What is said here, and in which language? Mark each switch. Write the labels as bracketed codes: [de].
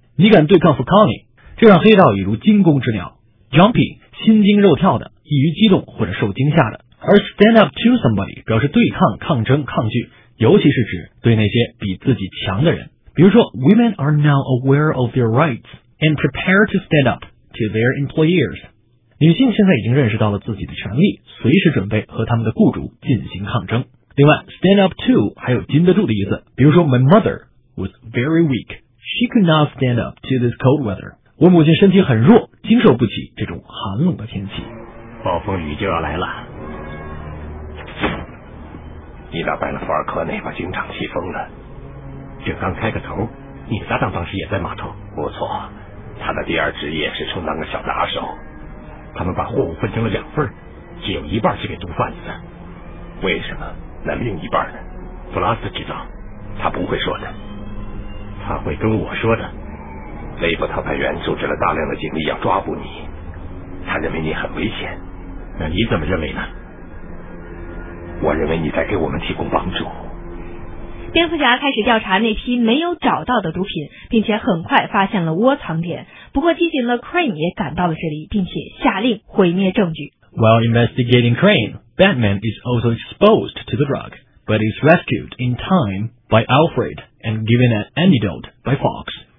[zh] 你敢对抗 Falcone， 这让黑道已如惊弓之鸟。 Jumpy， 心惊肉跳的，易于激动或者受惊吓的。而 stand up to somebody 表示对抗、抗争、抗拒，尤其是指对那些比自己强的人。 [en] 比如说 ，Women are now aware of their rights and prepare to stand up.” to their employers. [zh] 女性现在已经认识到了自己的权利，随时准备和他们的雇主进行抗争。另外 stand up to 还有禁得住的意思，比如说 [en] my mother was very weak. She could not stand up to this cold weather. [zh] 我母亲身体很弱，经受不起这种寒冷的天气。暴风雨就要来了。你打败了福尔科内，把警长气疯了。这刚开个头，你的搭档当时也在码头。不错，他的第二职业是充当个小打手，他们把货物分成了两份，只有一半是给毒贩子的。为什么？那另一半呢？弗拉斯知道，他不会说的。他会跟我说的。雷伯特派员组织了大量的警力要抓捕你，他认为你很危险。那你怎么认为呢？我认为你在给我们提供帮助。蝙蝠侠开始调查那批没有找到的毒品，并且很快发现了窝藏点。不过机警的 Crane 也赶到了这里，并且下令毁灭证据。 [en] While investigating Crane, Batman is also exposed to the drug, but is rescued in time by Alfred and given an antidote by Fox.